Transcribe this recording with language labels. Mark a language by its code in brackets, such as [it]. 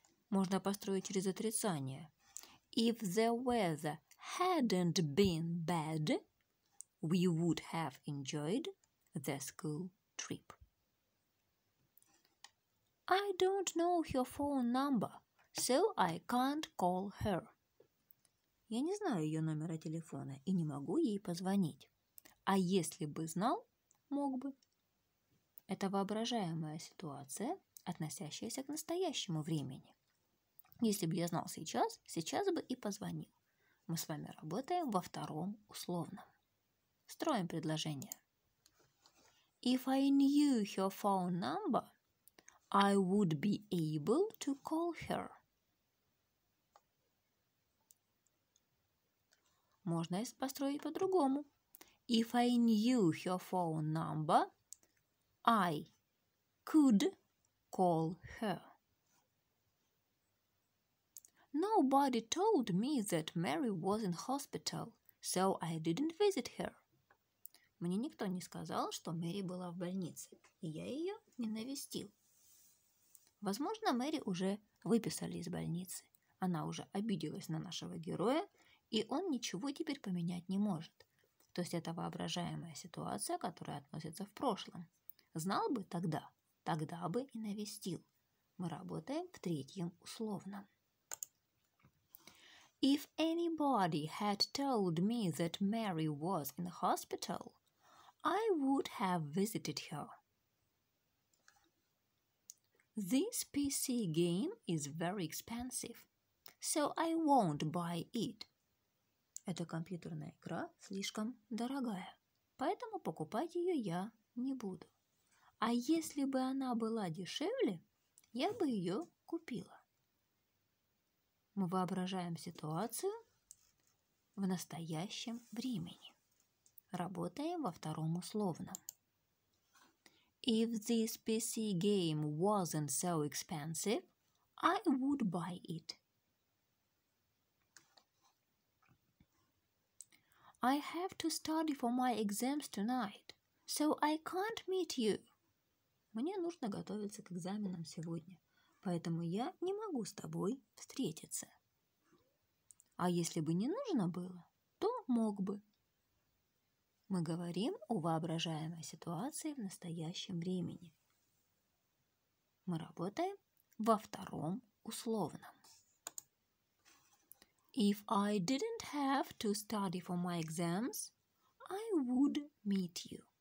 [ru] Можно построить через отрицание. [en] If the weather hadn't been bad, we would have enjoyed the school trip. I don't know her phone number, so I can't call her. [ru] Я не знаю ее номера телефона и не могу ей позвонить. А если бы знал, мог бы. Это воображаемая ситуация, относящаяся к настоящему времени. Если бы я знал сейчас, сейчас бы и позвонил. Мы с вами работаем во втором условном. Строим предложение. [en] If I knew her phone number, I would be able to call her. [ru] Можно построить по-другому. [en] If I knew her phone number, I could call her. Nobody told me that Mary was in hospital, so I didn't visit her. [ru] Мне никто не сказал, что Мэри была в больнице, и я ее не навестил. Возможно, Мэри уже выписали из больницы. она уже обиделась на нашего героя, и он ничего теперь поменять не может. То есть это воображаемая ситуация, которая относится в прошлом. Знал бы тогда, тогда бы и навестил. Мы работаем в третьем условном. [en] If anybody had told me that Mary was in the hospital, I would have visited her. This PC game is very expensive, so I won't buy it. [ru] Эта компьютерная игра слишком дорогая, поэтому покупать ее я не буду. А если бы она была дешевле, я бы ее купила. Мы воображаем ситуацию в настоящем времени. Работаем во втором условном. [en] If this PC game wasn't so expensive, I would buy it. I have to study for my exams tonight, so I can't meet you. [ru] Мне нужно готовиться к экзаменам сегодня, поэтому я не могу с тобой встретиться. А если бы не нужно было, то мог бы. Мы говорим о воображаемой ситуации в настоящем времени. Мы работаем во втором условном. [en] If I didn't have to study for my exams, I would meet you.